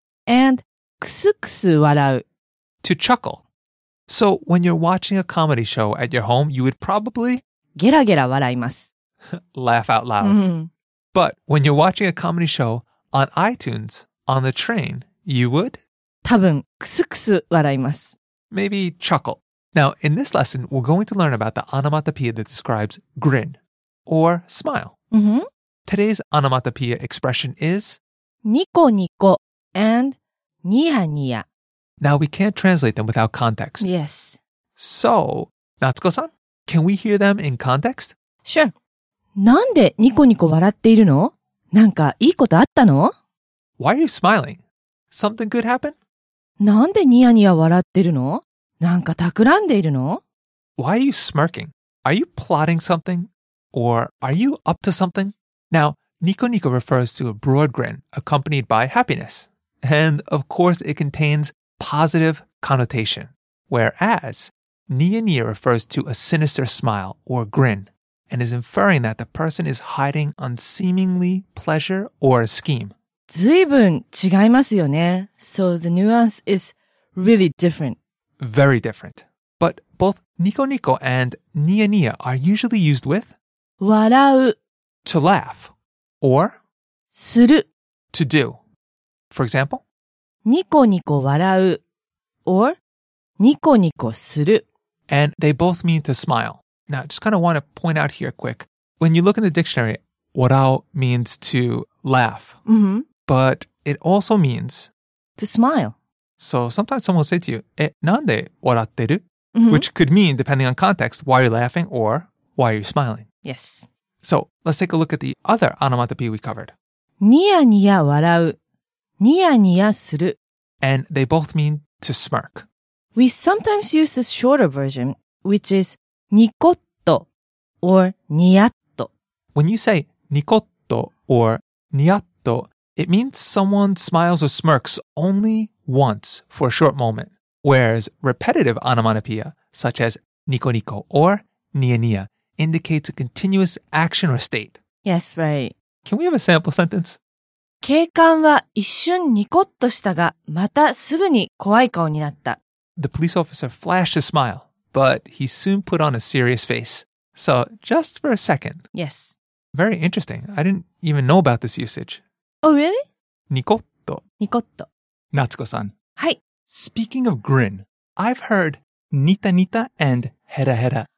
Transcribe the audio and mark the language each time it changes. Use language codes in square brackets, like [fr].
[ja] And kusu kusu warau. [en] To chuckle. So, when you're watching a comedy show at your home, you would probably [ja] ゲラゲラ笑います [en] laugh out loud. Mm-hmm. But when you're watching a comedy show on iTunes, on the train, you would [ja] 多分クスクス笑います [en] maybe chuckle. Now, in this lesson, we're going to learn about the onomatopoeia that describes grin or smile. Mm-hmm. Today's onomatopoeia expression is [ja] ニコニコ and ニヤニヤ。 [en] Now, we can't translate them without context. Yes. So, Natsuko-san, can we hear them in context? Sure. [ja] なんでニコニコ笑っているの？なんかいいことあったの？ [en] Why are you smiling? Something good happen? [ja] なんでニヤニヤ笑ってるの？なんか企んでいるの？ [en] Why are you smirking? Are you plotting something? Or are you up to something? Now, ニコニコ refers to a broad grin accompanied by happiness. And, of course, it contains positive connotation, whereas niya niya refers to a sinister smile or grin and is inferring that the person is hiding unseemingly pleasure or a scheme. [ja] ずいぶん違いますよね。 [en] So the nuance is really different. Very different. But both niko niko and niya niya are usually used with [ja] 笑う [en] to laugh or [ja] する [en] to do. For example, [ja] ニコニコ笑う or ニコニコする [en] and they both mean to smile. Now, just kind of want to point out here quick. When you look in the dictionary, 笑 means to laugh. Mm-hmm. But it also means to smile. So sometimes someone will say to you, [ja] なんで笑ってる? [en] Mm-hmm. Which could mean, depending on context, why are you laughing or why are you smiling? Yes. So let's take a look at the other onomatopoeia we covered. [ja] ニヤニヤ笑うニヤニヤする。 [en] And they both mean to smirk. We sometimes use the shorter version, which is ニコッと or ニヤッと。 When you say ニコッと or ニヤッと, it means someone smiles or smirks only once for a short moment. Whereas repetitive onomatopoeia, such as ニコニコ or ニヤニヤ, indicates a continuous action or state. Yes, right. Can we have a sample sentence? [ja] 警官は一瞬ニコッとしたが、またすぐに怖い顔になった。 [en] The police officer flashed a smile, but he soon put on a serious face. So, just for a second. Yes. Very interesting. I didn't even know about this usage. Oh, really? [ja] ニコッと。ニコッと。 [en] Natsuko-san. [ja] はい。 [en] Speaking of grin, I've heard ニタニタ and ヘラヘラ。